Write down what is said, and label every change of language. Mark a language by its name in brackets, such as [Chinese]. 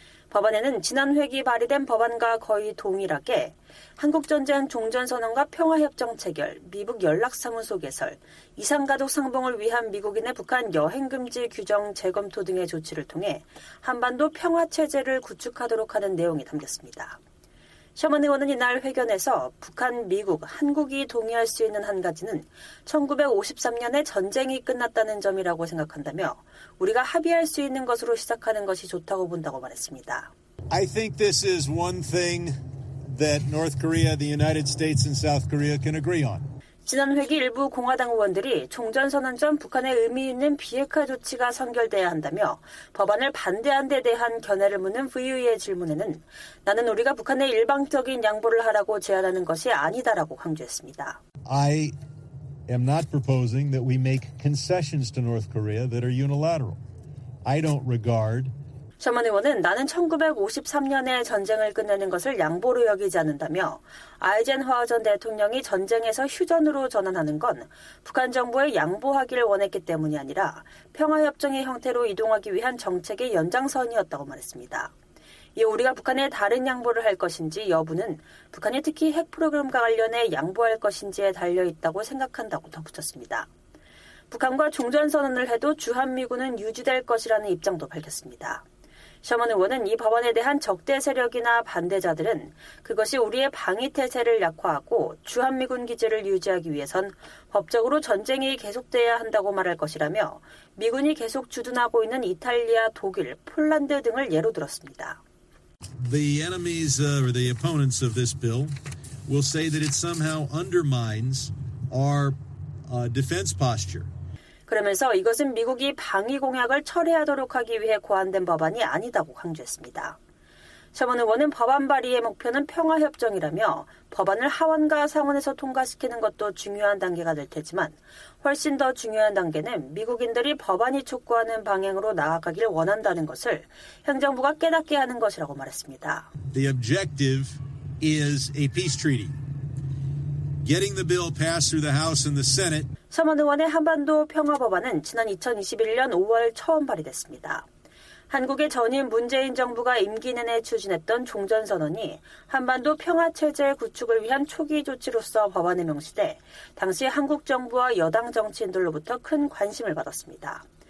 [Korean] 법안에는 지난 회기 발의된 법안과 거의 동일하게 한국전쟁 종전선언과 평화협정 체결, 미국 연락사무소 개설, 이산가족 상봉을 위한 미국인의 북한 여행금지 규정 재검토 등의 조치를 통해 한반도 평화체제를 구축하도록 하는 내용이 담겼습니다. 셔먼 의원은 이날 회견에서 북한, 미국, 한국이 동의할 수 있는 한 가지는 1953년에 전쟁이 끝났다는 점이라고 생각한다며 우리가 합의할 수 있는 것으로 시작하는 것이 좋다고 본다고 말했습니다. [English] I think this is one thing that North Korea, the United States and South Korea can agree on. [Korean] 지난 회기 일부 공화당 의원들이 종전선언 전 북한의 의미 있는 비핵화 조치가 선결돼야 한다며 법안을 반대한 데 대한 견해를 묻는 VOA의 질문에는 나는 우리가 북한에 일방적인 양보를 하라고 제안하는 것이 아니다라고 강조했습니다. [English] I am not proposing that we make concessions to North Korea that are unilateral. I don't regard [Korean] 셔먼 의원은 나는 1953년에 전쟁을 끝내는 것을 양보로 여기지 않는다며 아이젠하워 전 대통령이 전쟁에서 휴전으로 전환하는 건 북한 정부에 양보하기를 원했기 때문이 아니라 평화협정의 형태로 이동하기 위한 정책의 연장선이었다고 말했습니다. 이 우리가 북한에 다른 양보를 할 것인지 여부는 북한이 특히 핵 프로그램과 관련해 양보할 것인지에 달려있다고 생각한다고 덧붙였습니다. 북한과 종전선언을 해도 주한미군은 유지될 것이라는 입장도 밝혔습니다. 셔먼 의원은 이 법안에 대한 적대 세력이나 반대자들은 그것이 우리의 방위태세를 약화하고 주한미군 기지를 유지하기 위해선 법적으로 전쟁이 계속돼야 한다고 말할 것이라며 미군이 계속 주둔하고 있는 이탈리아, 독일, 폴란드 등을 예로 들었습니다. [English] The enemies or the opponents of this bill will say that it somehow undermines our defense posture. [Korean] 그러면서 이것은 미국이 방위 공약을 철회하도록 하기 위해 고안된 법안이 아니다고 강조했습니다. 셔먼 의원은 법안 발의의 목표는 평화협정이라며 법안을 하원과 상원에서 통과시키는 것도 중요한 단계가 될 테지만 훨씬 더 중요한 단계는 미국인들이 법안이 촉구하는 방향으로 나아가길 원한다는 것을 행정부가 깨닫게 하는 것이라고 말했습니다. [English] The objective is a peace treaty. Getting the bill passed through the House and the Senate. [Korean] 셔먼 의원의 한반도 평화법안은 지난 2021년 5월 처음 발의됐습니다. 한국의 전임 문재인 정부가 임기 내내 추진했던 종전선언이 한반도 평화체제 구축을 위한 초기 조치로서 법안에 명시돼 당시 한국 정부와 여당 정치인들로부터 큰 관심을 받았습니다.